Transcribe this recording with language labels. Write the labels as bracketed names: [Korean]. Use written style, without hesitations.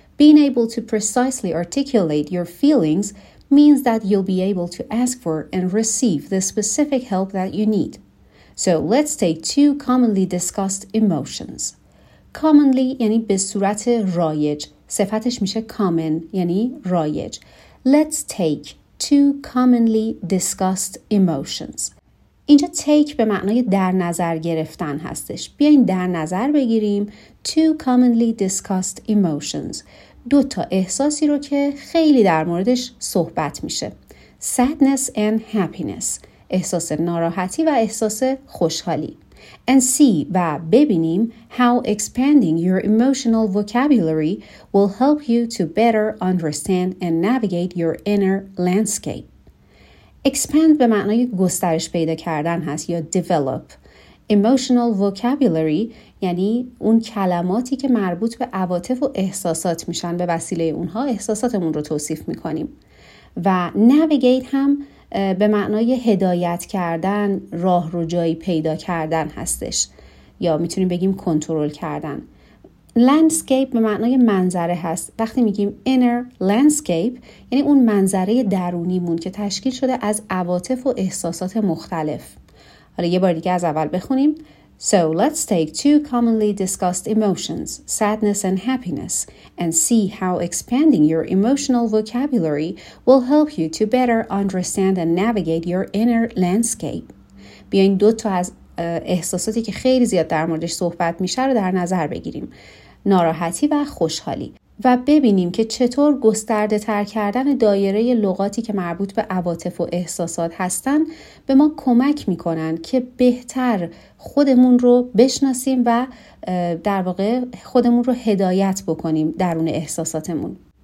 [English] Being able to precisely articulate your feelings means that you'll be able to ask for and receive the specific help that you need. So let's take two commonly discussed emotions. [Persian] Commonly یعنی به صورت رایج، صفتش میشه common یعنی رایج. [English] Let's take two commonly discussed emotions. [Persian] اینجا take به معنای در نظر گرفتن هستش. بیاین در نظر بگیریم [English] two commonly discussed emotions. [Persian] دو تا احساسی رو که خیلی در موردش صحبت میشه. [English] Sadness and happiness. [Persian] احساس ناراحتی و احساس خوشحالی. [English] And see [Persian] و ببینیم [English] how expanding your emotional vocabulary will help you to better understand and navigate your inner landscape. [Persian] Expand به معنای گسترش پیدا کردن هست یا develop. [English] Emotional vocabulary [Persian] یعنی اون کلماتی که مربوط به عواطف و احساسات میشن، به وسیله اونها احساساتمون رو توصیف میکنیم. و navigate هم به معنای هدایت کردن، راه رو جایی پیدا کردن هستش، یا میتونیم بگیم کنترل کردن. Landscape به معنای منظره هست. وقتی میگیم [English] inner landscape [Persian] یعنی اون منظره درونیمون که تشکیل شده از عواطف و احساسات مختلف. حالا یه بار دیگه از اول بخونیم. [English] So let's take two commonly discussed emotions, sadness and happiness, and see how expanding your emotional vocabulary will help you to better understand and navigate your inner landscape. [Persian] بیاین دو تا از احساساتی که خیلی زیاد در موردش صحبت میشه رو در نظر بگیریم. ناراحتی و خوشحالی. و ببینیم که چطور گسترده تر کردن دایره لغاتی که مربوط به عواطف و احساسات هستن به ما کمک می کنن که بهتر خودمون رو بشناسیم و در واقع خودمون رو هدایت بکنیم درون احساساتمون.